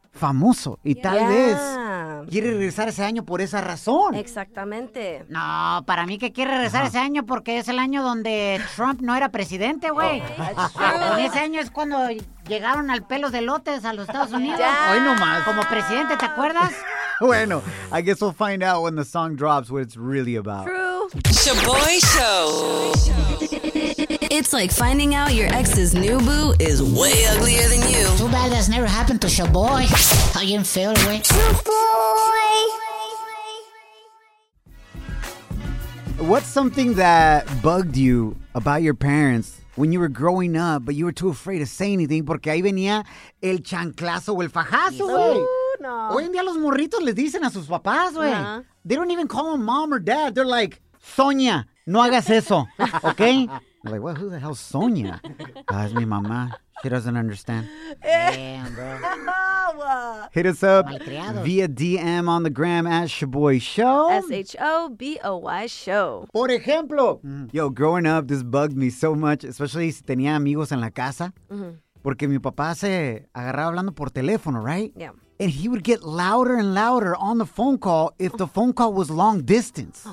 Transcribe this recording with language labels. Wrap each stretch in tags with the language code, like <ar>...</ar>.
<es>famoso y tal vez quiere regresar ese año por esa razón. Exactamente. No, para mí que quiere regresar ese año porque es el año donde Trump no era presidente, güey. Oh, ese año es cuando llegaron al pelo de lotes a los Estados Unidos. Hoy nomás. Como presidente, ¿te acuerdas?</es> <en>Bueno, I guess we'll find out when the song drops what it's really about. True. Sha'Boy Show. It's like finding out your ex's new boo is way uglier than you. Too bad that's never happened to Sha'Boy. How you feel, right? Sha'Boy! What's something that bugged you about your parents when you were growing up, but you were too afraid to say anything</en> <es>porque ahí venía el chanclazo o el fajazo, güey? No. Hoy en día los morritos les dicen a sus papás, güey. Uh-huh.</es> <en>They don't even call them mom or dad. They're like, Sonia,</en> <es>no hagas eso,</es> <en>okay? I'm like, well, who the hell's Sonia? That's</en> <es>mi mamá.</es> <en>She doesn't understand. Damn, bro. Hit us up via DM on the gram at Sha'Boy Show. Shoboy Show.</en> <es>Por ejemplo.</es> <en>Yo, growing up, this bugged me so much, especially</en> <es>si tenía amigos en la casa. Mm-hmm. Porque mi papá se agarraba hablando por teléfono, right?</es> <en>Yeah. And he would get louder and louder on the phone call if the phone call was long distance.</en>